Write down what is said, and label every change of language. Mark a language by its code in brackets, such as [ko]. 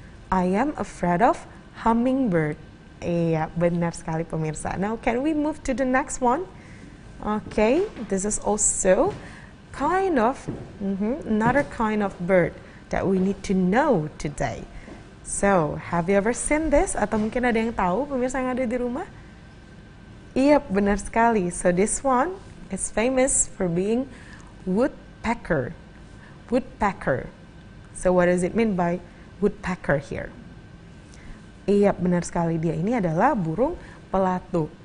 [en] I am afraid of hummingbird. [id] Iya, benar sekali pemirsa. [en] Now can we move to the next one? Okay, this is also kind of another kind of bird that we need to know today. So, have you ever seen this? [id] Atau mungkin ada yang tahu pemirsa yang ada di rumah? Iya, benar sekali. [en] So this one is famous for being woodpecker. Woodpecker. So what does it mean by woodpecker here? [id] Iya, benar sekali. Dia ini adalah burung pelatuk.